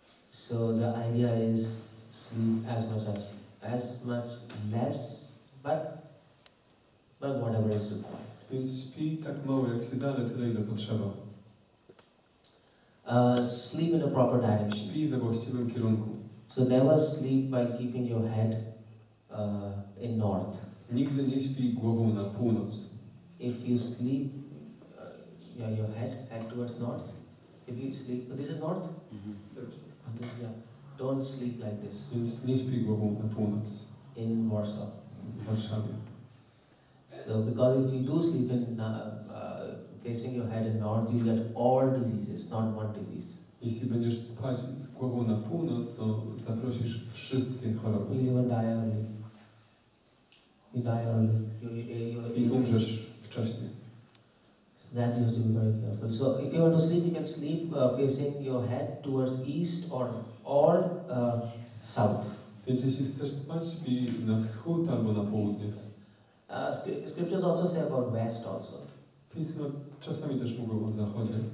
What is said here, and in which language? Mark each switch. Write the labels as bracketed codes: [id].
[en] So the idea is sleep as much less, but whatever is required. [pl] Więc śpi tak mało, jak się da, ale tyle, ile potrzeba. [en] Sleep in a proper direction. [pl] Śpi we właściwym kierunku. [en] So never sleep while keeping your head in north. [pl] Nigdy nie śpi głową na północ. [en] If you sleep your head towards north. If you sleep, but this is north. Mm-hmm. Okay, yeah. Don't sleep like this. [pl] Nie śpi głową na północ. [en] In Warsaw. [pl] Warszawie. [en] So because if you do sleep in facing your head in north, you get all diseases, not one disease. [pl] Jeśli będziesz spać z głową na północ, to zaprosisz wszystkie choroby. [en] You even die early. You die early. [pl] I umrzesz wcześniej. [en] That you have to be very careful. So if you want to sleep, you can sleep facing your head towards east or south. [pl] Więc jeśli chcesz spać, śpi na wschód albo na południe. [en] Scriptures also say about west also. [pl] Pismo czasami też mówią o zachodzie.